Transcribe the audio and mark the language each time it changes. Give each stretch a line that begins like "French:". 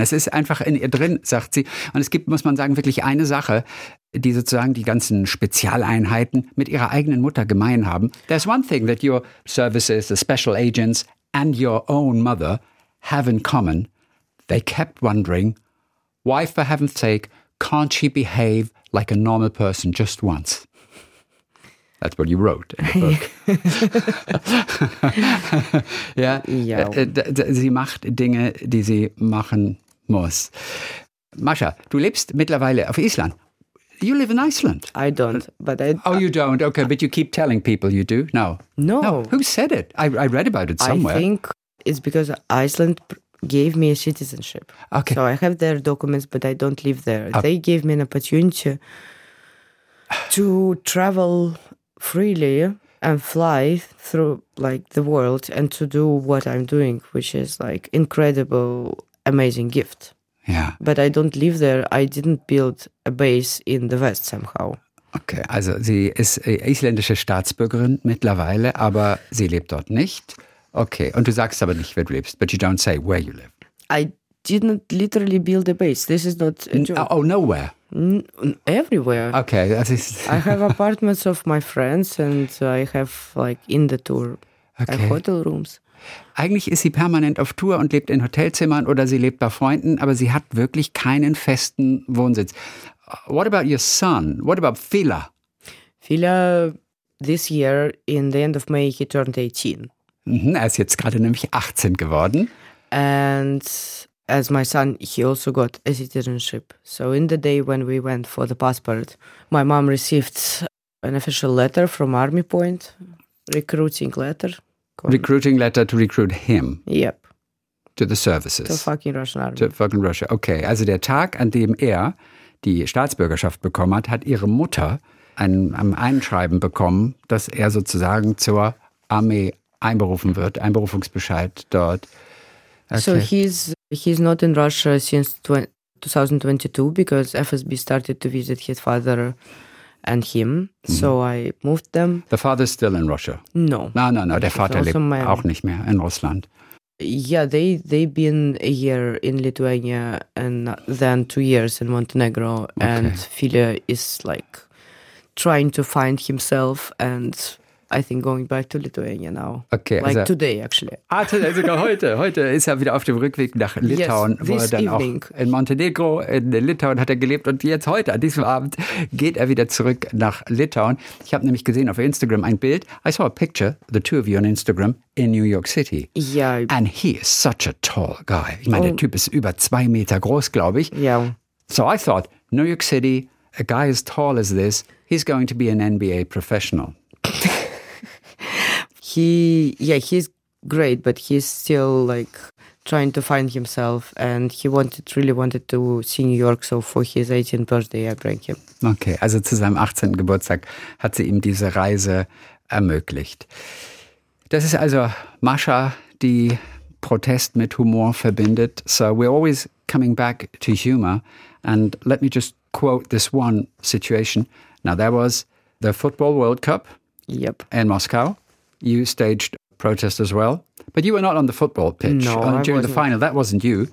German: Es ist einfach in ihr drin, sagt sie. Und es gibt, muss man sagen, wirklich eine Sache, die sozusagen die ganzen Spezialeinheiten mit ihrer eigenen Mutter gemein haben.
English: There's one thing that your services, the special agents and your own mother have in common. They kept wondering, why for heaven's sake can't she behave like a normal person just once? That's what you wrote in the book. Yeah? Yeah.
German: Sie macht Dinge, die sie machen muss. Mascha, du lebst mittlerweile auf Island.
English: You live in Iceland. I don't, but I... Oh, you don't. Okay, but you keep telling people you do? No. No. No. Who said it? I read about it somewhere. I think it's because Iceland gave me a citizenship. Okay. So I have their documents, but I don't live there. Okay. They gave me an opportunity to travel freely and fly through like the world and to do what I'm doing, which is like incredible, amazing gift. Yeah. But I don't live there. I didn't build a base in the West somehow.
German: Okay, also sie ist isländische Staatsbürgerin mittlerweile, aber sie lebt dort nicht. Okay, und du sagst aber nicht, wer du lebst,
English: but you don't say where you live. I didn't literally build a base. This is not a joke. Oh, nowhere. Everywhere. Okay. I have apartments of my friends and I have like in the tour hotel rooms.
German: Eigentlich ist sie permanent auf Tour und lebt in Hotelzimmern oder sie lebt bei Freunden, aber sie hat wirklich keinen festen Wohnsitz.
English: What about your son? What about Fila? Fila, this year, in the end of May, he turned 18.
German: Mm-hmm. Er ist jetzt gerade nämlich 18 geworden.
English: And as my son, he also got a citizenship. So in the day when we went for the passport, my mom received an official letter from Army Point, recruiting letter. Recruiting letter to recruit him. Yep. To the services. To fucking Russian Army. To fucking Russia.
German: Okay, also der Tag, an dem er die Staatsbürgerschaft bekommen hat, hat ihre Mutter ein Einschreiben bekommen, dass er sozusagen zur Armee einberufen wird, Einberufungsbescheid dort.
English: Okay. So he's not in Russia since 2022 because FSB started to visit his father and him. So I moved them. The father's still in Russia? No. No.
German: Der Vater lebt auch nicht mehr in Russland.
English: Yeah, they've been a year in Lithuania and then 2 years in Montenegro. Okay. And Filia is like trying to find himself and I think going back to Lithuania now. Okay. Like also, today actually.
German: Ah,
English: today,
German: sogar heute. Heute ist er wieder auf dem Rückweg nach Litauen.
English: Yes, this
German: wo er dann
English: evening.
German: Auch in Montenegro, in Litauen hat er gelebt und jetzt heute, an diesem Abend, geht er wieder zurück nach Litauen. Ich habe nämlich gesehen auf Instagram ein Bild.
English: I saw a picture, the two of you on Instagram, in New York City. Yeah. And he is such a tall guy.
German: Ich meine, der Typ ist über 2 Meter groß, glaube ich.
English: Yeah. So I thought, New York City, a guy as tall as this, he's going to be an NBA professional. He's great, but he's still like trying to find himself and he really wanted to see New York, so for his 18th birthday I bring him.
German: Okay, also zu seinem 18. Geburtstag hat sie ihm diese Reise ermöglicht. Das ist also Mascha, die Protest mit Humor verbindet.
English: So we're always coming back to humor and let me just quote this one situation. Now there was the Football World Cup in Moscow. You staged protest as well, but you were not on the football pitch during the final. That wasn't you.